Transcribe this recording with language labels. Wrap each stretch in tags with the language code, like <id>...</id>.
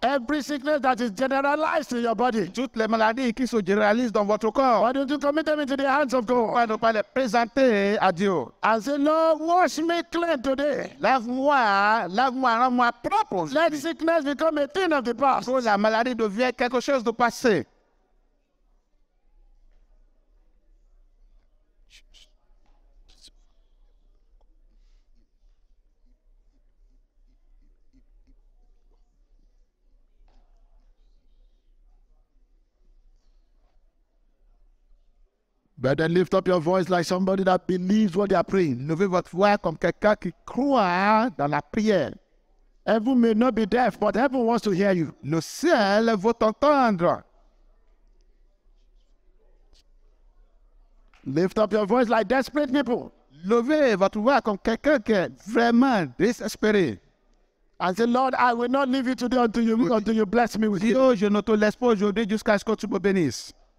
<en>every sickness that is generalized in your body.</en> <fr>Toutes les maladies qui se généralisent dans votre corps.</fr> <en>Why don't you commit them into the hands of God?</en> <fr>Pourquoi ne pas les présenter à Dieu?</fr> <en>And say, Lord, wash me clean today.</en> <fr>Lave-moi, rends-moi propre.</fr> <en>Let sickness become a thing of the past.</en> <fr>Que la maladie devienne quelque chose de passé.</fr> <en>But then lift up your voice like somebody that believes what they are praying.</en> <fr>Levez votre voix comme quelqu'un qui croit dans la prière.</fr> <en>Heaven may not be deaf, but heaven wants to hear you.</en> <fr>Le ciel veut t'entendre.</fr> <en>Lift up your voice like desperate people.</en> <fr>Levez votre voix comme quelqu'un qui est vraiment désespéré.</fr> <en>And say, Lord, I will not leave you today until you bless me with you.</en> <fr>Je ne te laisse pas aujourd'hui jusqu'à ce que tu me bénisses.</fr>